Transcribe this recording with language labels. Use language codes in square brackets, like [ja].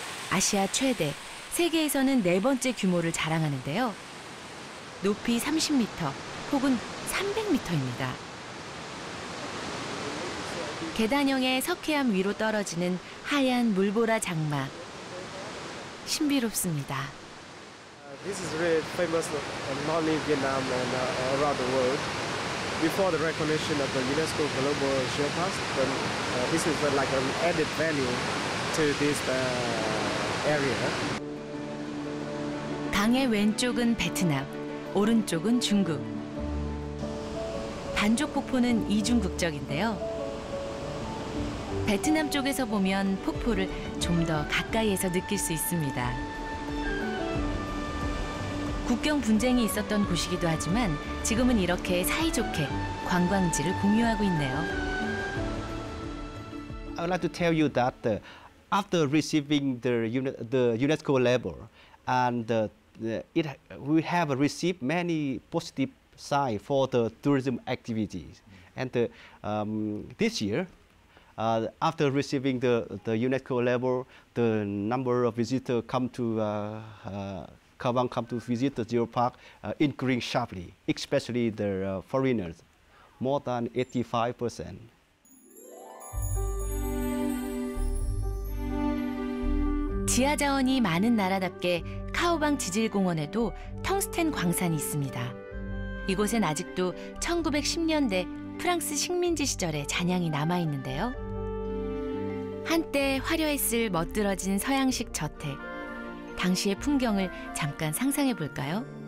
[ko] 아시아 최대, 세계에서는 네 번째 규모를 자랑하는데요. 높이 30m 혹은 300m입니다. 계단형의 석회암 위로 떨어지는 하얀 물보라 장마. 신비롭습니다. [en] This is really famous not only in Vietnam and around the world. Before the recognition of the UNESCO Global Geopark, then this is like an added value to this area. [ko] 강의 왼쪽은 베트남, 오른쪽은 중국. 반족 폭포는 이중국적인데요. 베트남 쪽에서 보면 폭포를 좀 더 가까이에서 느낄 수 있습니다. 국경 분쟁이 있었던 곳이기도 하지만 지금은 이렇게 사이좋게 관광지를 공유하고 있네요. [en] I would like to tell you that after receiving the UNESCO label and we have received many positive signs for the tourism activities. And this year, after receiving the UNESCO label, the number of visitors come to Kavang come to visit the geopark increased sharply, especially the foreigners, more than 85%. [ko] 지하 자원이 많은 나라답게 카오방 지질공원에도 텅스텐 광산이 있습니다. 이곳엔 아직도 1910년대 프랑스 식민지 시절의 잔향이 남아있는데요. 한때 화려했을 멋들어진 서양식 저택. 당시의 풍경을 잠깐 상상해볼까요?